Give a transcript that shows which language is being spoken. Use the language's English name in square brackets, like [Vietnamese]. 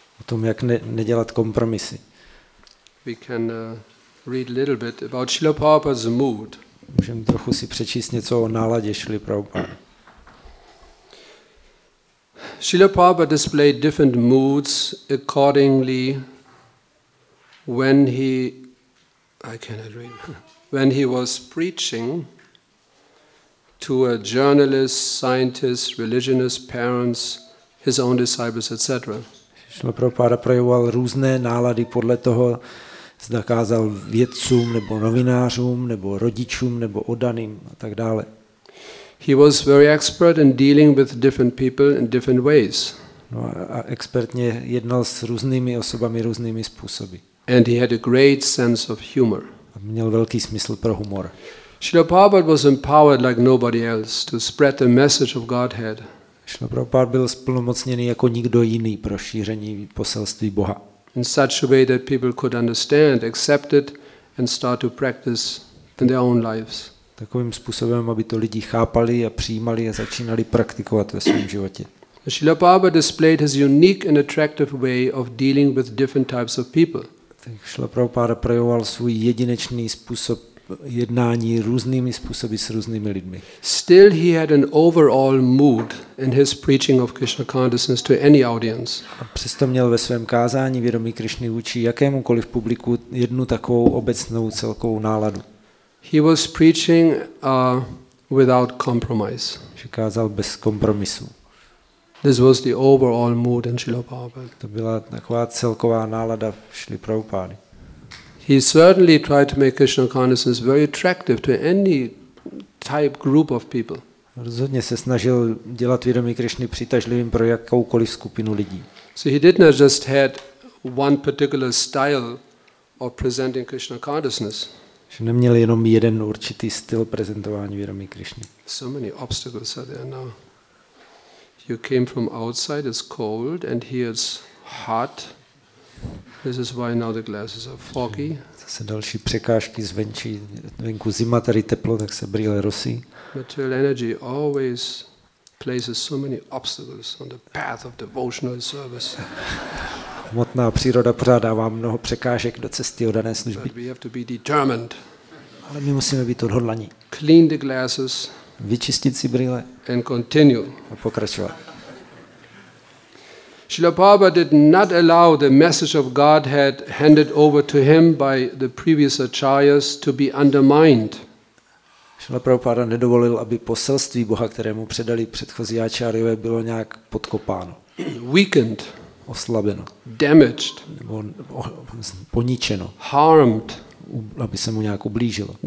[Czech] O tom, jak nedělat kompromisy. [English] We can read a little bit about Srila Prabhupada's mood. [Czech] Můžeme trochu si přečíst něco o náladě Srila Prabhupada. [English] Srila Prabhupada displayed different moods accordingly when he was preaching to a journalist, scientist, religionist, parents, his own disciples, etc. [Czech] Srila Prabhupada projevoval různé nálady podle toho, zda kázal vědcům nebo novinářům nebo rodičům nebo oddaným a tak dále. [English] He was very expert in dealing with different people in different ways. [Czech] No a expertně jednal s různými osobami různými způsoby. [English] And he had a great sense of humor. [Czech] A měl velký smysl pro humor. [English] Srila Prabhupada was empowered like nobody else to spread the message of Godhead. [Czech] Srila Prabhupada byl splnomocněný jako nikdo jiný pro šíření poselství Boha. [English] In such a way that people could understand, accept it and start to practice in their own lives. [Czech] Takovým způsobem, aby to lidi chápali a přijímali a začínali praktikovat ve svém životě. [English] Srila Prabhupada displayed his unique and attractive way of dealing with different types of people. [Czech] Srila Prabhupada projevoval svůj jedinečný způsob jednání různými způsoby s různými lidmi. [English] Still he had an overall mood in his preaching of Krishna consciousness to any audience. [Czech] A přesto měl ve svém kázání vědomí Krishny vůči jakémukoliv publiku jednu takovou obecnou celkovou náladu. [English] He was preaching without compromise. [Czech] Že kázal bez kompromisu. [English] This was the overall mood in Srila Prabhupada. [Czech] To byla taková celková nálada Srila Prabhupady. [English] He certainly tried to make Krishna consciousness very attractive to any type group of people. [Czech] Rozhodně se snažil dělat vědomí Krishny přitažlivým pro jakoukoliv skupinu lidí. [English] So he did not just had one particular style of presenting Krishna consciousness. [Czech] Že neměl jenom jeden určitý styl prezentování vědomí Krishny. [English] So many obstacles are there now. You came from outside, it's cold, and here it's hot. This is why now the glasses are foggy. [Czech] Zase další překážky zvenčí, venku zima, tady teplo, tak se brýle rosí. [English] Material energy always places so many obstacles on the path of devotional service. [Czech] Hmotná příroda pořádává mnoho překážek do cesty o dané služby. [English] But we have to be determined. [Czech] Ale my musíme být odhodlaní. [English] Clean the glasses. [Czech] Vyčistit si brýle. [English] And continue. [Czech] A pokračovat. [English] Srila Prabhupada did not allow the message of Godhead handed over to him by the previous acharyas to be undermined. [Czech] Srila Prabhupada nedovolil, aby poselství Boha, které mu předali předchozí acharyové, bylo nějak podkopáno. [English] Weakened. [Czech] Oslabeno. [English] Damaged. [Czech] Nebo poničeno. [English] Harmed. [Czech] Aby se mu nějak ublížilo.